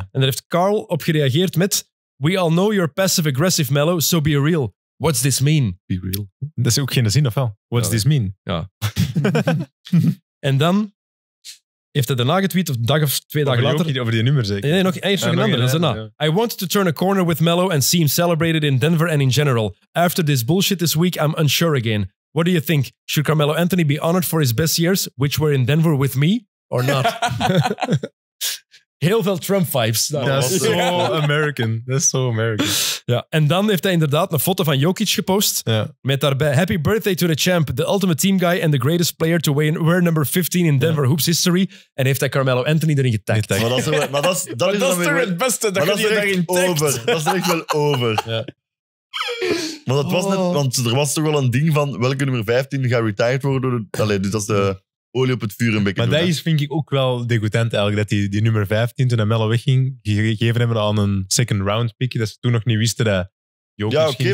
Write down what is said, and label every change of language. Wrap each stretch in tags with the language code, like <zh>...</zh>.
<nl>En daar heeft Carl op gereageerd met:</nl> <en>We all know you're passive-aggressive, Melo, so be real. What's this mean? Be real.</en> <nl>Dat is ook geen zin, of wel?</nl> <en>What's this mean?</en> <nl>Ja. En dan heeft hij daarna getweet, of een dag of twee dagen later. Over die nummer, zeker? Nee, nog eerst een ander.</nl> <en>I wanted to turn a corner with Melo and see him celebrated in Denver and in general. After this bullshit this week, I'm unsure again. What do you think? Should Carmelo Anthony be honored for his best years, which were in Denver with me, or not?</en> <nl>Heel veel Trump vibes. Dat is zo American. Dat is zo American. Ja, en dan heeft hij inderdaad een foto van Jokic gepost. Ja. Met daarbij:</nl> <en>Happy birthday to the champ, the ultimate team guy and the greatest player to wear number 15 in Denver Hoops history.</en> <nl>En heeft hij Carmelo Anthony erin getagd. Maar dat is er het beste. Dat is er het beste. Dat is erin over. Dat is er echt wel over. Ja. Maar dat was net, want er was toch wel een ding van welke nummer 15 gaat retired worden. Allee, dus dat is de olie op het vuur een beetje. Maar dat is, vind ik, ook wel degoutant eigenlijk, dat die nummer 15 toen Melo wegging, gegeven hebben aan een second round pick, dat ze toen nog niet wisten dat Jokic ging zijn.</nl>